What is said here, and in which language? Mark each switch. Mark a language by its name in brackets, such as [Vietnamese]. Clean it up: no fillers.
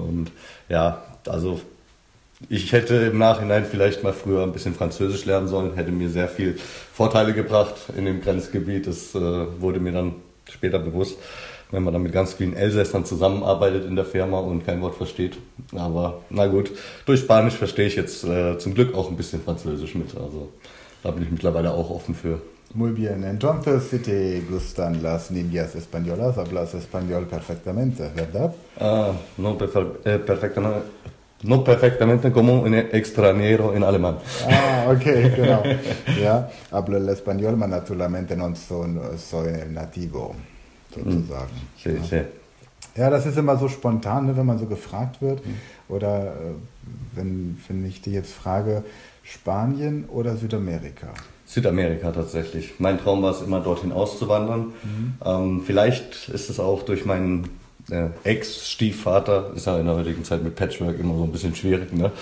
[German] Und ja, also ich hätte im Nachhinein vielleicht mal früher ein bisschen Französisch lernen sollen, hätte mir sehr viel Vorteile gebracht in dem Grenzgebiet. Das wurde mir dann später bewusst, wenn man dann mit ganz vielen Elsässern zusammenarbeitet in der Firma und kein Wort versteht. Aber na gut, durch Spanisch verstehe ich jetzt zum Glück auch ein bisschen Französisch mit. Also da bin ich mittlerweile auch offen für. [Spanish] Muy bien, entonces, si te gustan las niñas españolas, hablas español perfectamente, ¿verdad? No perfectamente como un extranjero en alemán. [German] Ah, ok, genau. [Spanish] Ja, hablo el español, pero naturalmente no soy el nativo, sozusagen. Sí, [German] ja. [Spanish] Sí. [German] Ja, das ist immer so spontan, wenn man so gefragt wird. Oder wenn ich dich jetzt frage, Spanien oder Südamerika? Südamerika tatsächlich. Mein Traum war es immer, dorthin auszuwandern. Mhm. Vielleicht ist es auch durch meinen Ex-Stiefvater, ist ja in der heutigen Zeit mit Patchwork immer so ein bisschen schwierig, ne?